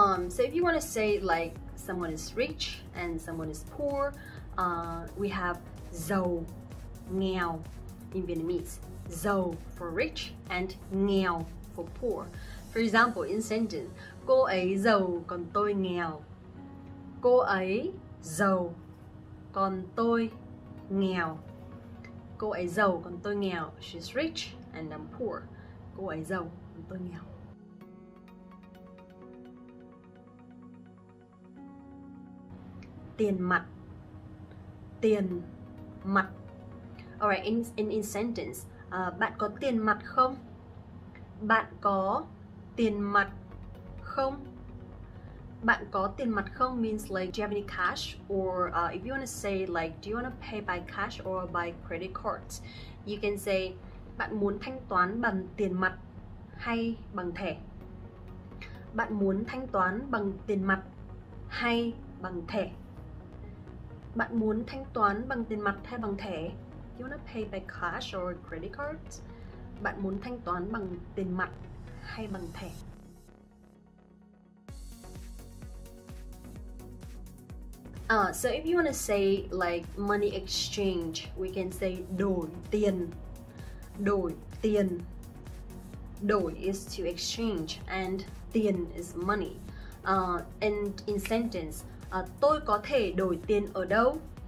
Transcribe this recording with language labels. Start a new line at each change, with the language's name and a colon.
English: So if you want to say like someone is rich and someone is poor, we have giàu, nghèo in Vietnamese. Giàu for rich and nghèo for poor. For example, in sentence,
Vietnamese: cô ấy giàu còn tôi nghèo. Cô ấy giàu còn tôi nghèo. Cô ấy giàu còn tôi nghèo.
English: She's rich and I'm poor.
Vietnamese: Cô ấy giàu còn tôi nghèo. Tiền mặt, tiền mặt.
English: Alright, in sentence,
Vietnamese: bạn có tiền mặt không? Bạn có tiền mặt không? Bạn có tiền mặt không
English: means like, do you have any cash? Or if you want to say like, do you want to pay by cash or by credit card? You can say,
Vietnamese: bạn muốn thanh toán bằng tiền mặt hay bằng thẻ? Bạn muốn thanh toán bằng tiền mặt hay bằng thẻ? Bạn muốn thanh toán bằng tiền mặt hay bằng thẻ?
English: You want to pay by cash or credit card?
Vietnamese: Bạn muốn thanh toán bằng tiền mặt hay bằng thẻ?
English: So if you want to say like money exchange, we can say
Vietnamese: đổi tiền. Đổi tiền.
English: Đổi is to exchange and tiền is money. And in sentence,
Vietnamese: tôi có thể đổi tiền ở đâu?